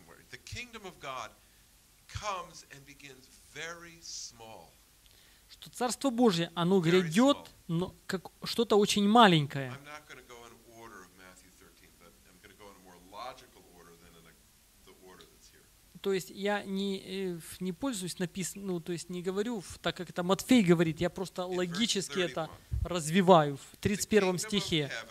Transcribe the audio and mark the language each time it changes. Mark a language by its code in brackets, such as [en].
[en] The kingdom of God comes and begins very small. [ru] Что Царство Божие, оно грядет, но как что-то очень маленькое. [en] I'm not going to go in order of Matthew 13, but I'm going to go in a more logical order than in the order that's here. [ru] То есть я не пользуюсь написанным, ну, то есть не говорю, так как это Матфей говорит, я просто логически это развиваю в 31 стихе.